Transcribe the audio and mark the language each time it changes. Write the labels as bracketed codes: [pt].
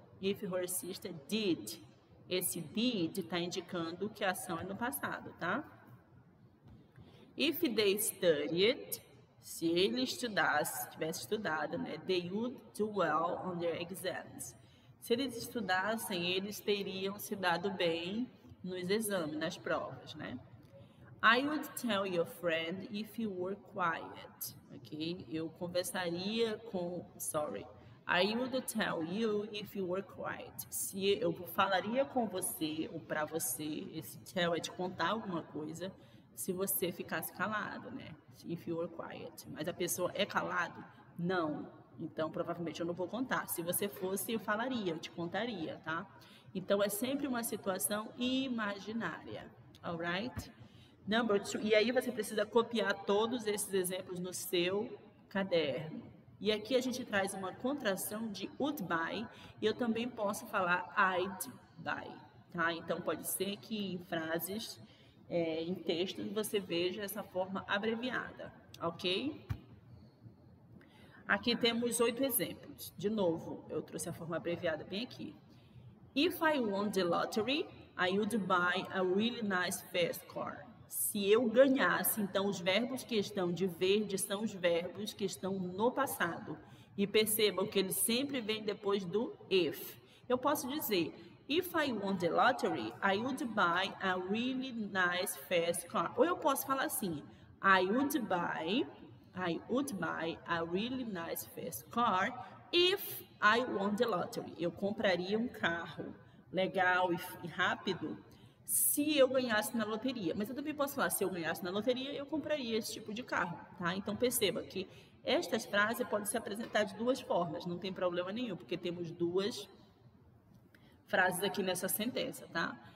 [en] If her sister did. [pt] Esse did está indicando que a ação é no passado, tá? [en] If they studied, [pt] se ele estudasse, tivesse estudado, né? [en] They would do well on their exams. [pt] Se eles estudassem, eles teriam se dado bem nos exames, nas provas, né? [en] I would tell your friend if you were quiet, ok? [pt] Eu conversaria com, [en] sorry, I would tell you if you were quiet. [pt] Se eu falaria com você ou para você, esse tell é de contar alguma coisa, se você ficasse calado, né? [en] If you were quiet. [pt] Mas a pessoa é calado? Não. Então, provavelmente, eu não vou contar. Se você fosse, eu falaria, eu te contaria, tá? Então, é sempre uma situação imaginária, alright? [en] Number two, [pt] e aí você precisa copiar todos esses exemplos no seu caderno. E aqui a gente traz uma contração de would buy, e eu também posso falar [en] I'd buy, [pt] tá? Então, pode ser que em frases, em textos, você veja essa forma abreviada, ok? Aqui temos 8 exemplos. De novo, eu trouxe a forma abreviada bem aqui. [en] If I won the lottery, I would buy a really nice fast car. [pt] Se eu ganhasse, então os verbos que estão de verde são os verbos que estão no passado. E percebam que eles sempre vêm depois do if. Eu posso dizer, [en] if I won the lottery, I would buy a really nice fast car. [pt] Ou eu posso falar assim, [en] I would buy a really nice fast car if I won the lottery. [pt] Eu compraria um carro legal e rápido se eu ganhasse na loteria. Mas eu também posso falar, se eu ganhasse na loteria, eu compraria esse tipo de carro, tá? Então, perceba que estas frases podem se apresentar de duas formas. Não tem problema nenhum, porque temos duas frases aqui nessa sentença, tá?